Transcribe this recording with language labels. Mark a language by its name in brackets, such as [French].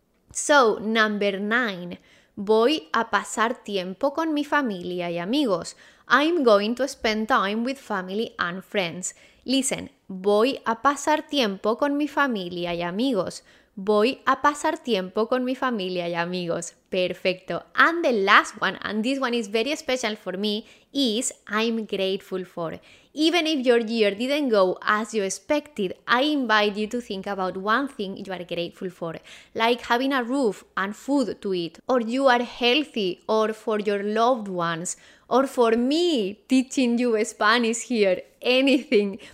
[English] So, number 9, [Spanish] voy a pasar tiempo con mi familia y amigos. [English] I'm going to spend time with family and friends. Listen, [Spanish] voy a pasar tiempo con mi familia y amigos. Voy a pasar tiempo con mi familia y amigos. Perfecto. [English] And the last one, and this one is very special for me, is I'm grateful for. Even if your year didn't go as you expected, I invite you to think about one thing you are grateful for, like having a roof and food to eat, or you are healthy, or for your loved ones, or for me teaching you Spanish here, anything.